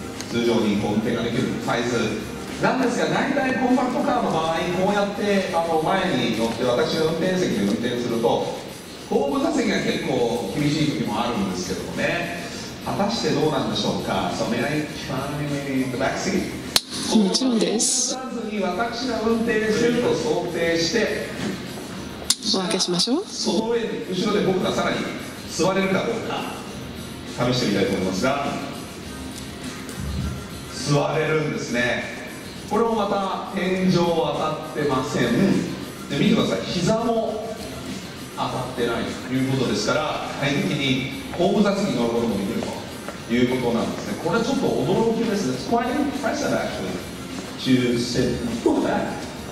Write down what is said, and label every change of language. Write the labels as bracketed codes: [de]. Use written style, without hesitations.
[ja] 通常にこう運転ができるサイズ。なんですが、大体コンパクトカーの場合、こうやって前に乗って、私の運転席で運転すると、後部座席が結構厳しい時もあるんですけどもね、果たしてどうなんでしょうか。 [en] So, may I try maybe the back seat? [ja] もちろんです。後部座席に私が運転すると想定して、お開けしましょう。その上に、後ろで僕がさらに座れるかどうか、試してみたいと思いますが、座れるんですね。これもまた天井は当たってません。で見てください、膝も当たってないということですから、快適に後部座席に乗ることもできるということなんですね。これちょっと驚きですね。 [en] It's quite impressive actually to sit in the back。